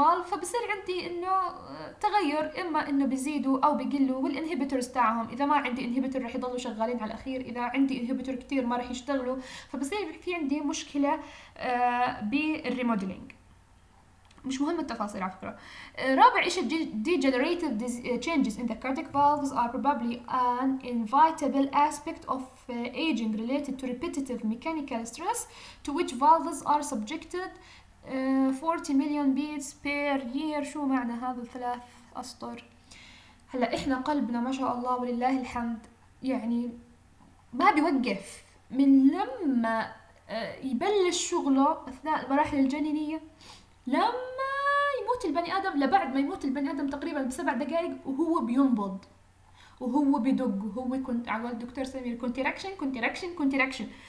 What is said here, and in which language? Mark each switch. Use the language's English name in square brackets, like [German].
[Arabic] فبصير عندي انه تغير، اما انه بيزيدوا او بيقلوا، والانهيبيتورز تاعهم اذا ما عندي انهيبيتور رح يضلوا شغالين على الاخير، اذا عندي انهيبيتور كتير ما رح يشتغلوا، فبصير في عندي مشكلة بالريمودلينج. مش مهم التفاصيل على فكرة. رابع إشي [English] degenerative changes in the cardiac valves are probably an inevitable aspect of aging related to repetitive mechanical stress to which valves are subjected. 40 million beats per year. [Arabic] شو معنى هذا الثلاث أسطر؟ هلأ إحنا قلبنا ما شاء الله ولله الحمد يعني ما بيوقف من لما يبلش شغله أثناء المراحل الجنينية، لما يموت البني آدم لبعد ما يموت البني آدم تقريبا بسبع دقائق وهو بينبض وهو بيدق وهو كنت عقول دكتور سمير كونتراكشن.